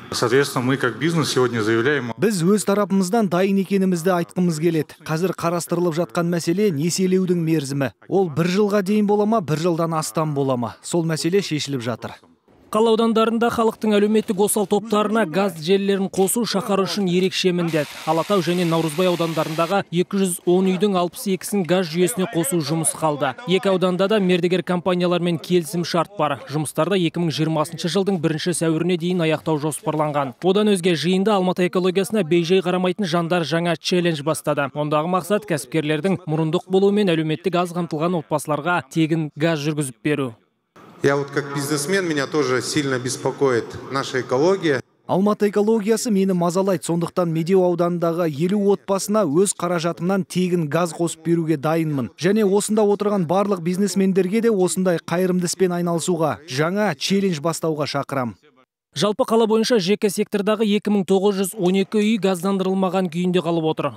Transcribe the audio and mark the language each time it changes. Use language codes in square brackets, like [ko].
[ru] Соответственно, мы как бизнес сегодня заявляем. [kk] Біз өз тарапымыздан дайын екенімізді айтқымыз келеді. Қазір қарастырылып жатқан мәселе несиелеудің мерзімі. Ол бір жылға дейін болама, бір жылдан астам болама. Сол мәселе шешіліп жатыр. Қала аудандарында халықтың әлеуметтік осал топтарына газ желілерін қосу шаһар үшін ерекше міндет. Алатау және Наурызбай аудандарындағы 210 үйдің 62-сін газ жүйесіне қосу жұмыс қалды. Екі ауданда да мердігер компаниялармен келісім шарт бар. Жұмыстарды 2020 жылдың 1 сәуіріне дейін аяқтау жоспарланған. Одан өзге жиында Алматы экологиясына бейжай қарамайтын жандар жаңа челлендж бастады. Ондағы мақсат кәсіпкерлердің мұрындық болуымен әлеуметтік аз қамтылған отбасыларға тегін газ жүргізіп беру. [ru] Я вот как бизнесмен, меня тоже сильно беспокоит наша экология. [kk] Алматы экологиясы мені мазалайды, сондықтан Медеу ауданындағы 50 отбасына өз қаражатымнан тегін газ қосып беруге дайынмын. Және осында отырған барлық бизнесмендерге де осындай қайырымды іспен айналысуға, жаңа челлендж бастауға шақырам. Жалпы қала бойынша жеке сектордағы 2912 үй газдандырылмаған күйінде қалып отыр.